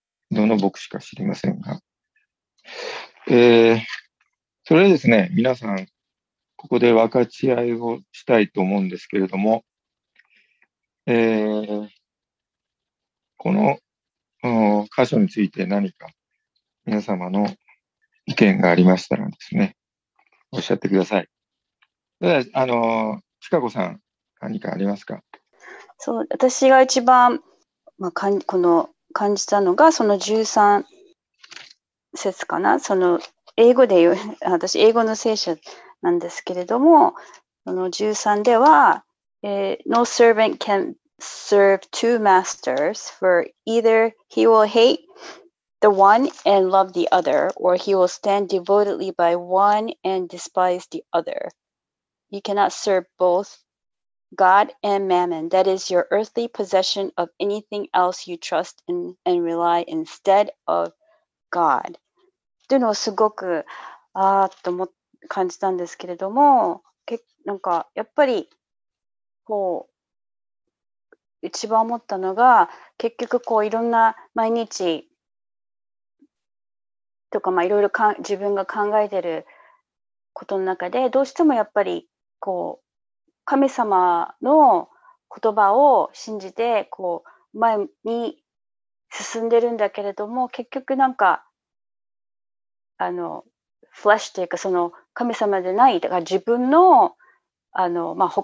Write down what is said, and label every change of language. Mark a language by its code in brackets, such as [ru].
[ja] どの牧師か知りませんが、それでですね、皆さんここで分かち合いをしたいと思うんですけれども、この箇所について何か皆様の意見がありましたらですね、おっしゃってください。ただちかこさん、何かありますか？そう、私が一番、まあ、この感じたのがその13節かな、その英語で言う、私英語の聖書なんですけれども、その13では、 [en] No servant can serve two masters, for either he will hate the one and love the other, or he will stand devotedly by one and despise the other. You cannot serve both God and mammon. That is your earthly possession of anything else you trust in and rely instead of God. [ja] というのをすごくああと思感じたんですけれども、なんかやっぱりこう一番思ったのが、結局こういろんな毎日とか、まあいろいろ自分が考えてることの中で、どうしてもやっぱりこう神様の言葉を信じてこう前に進んでるんだけれども、結局なんかフラッシュというか、その神様でない、だから自分の考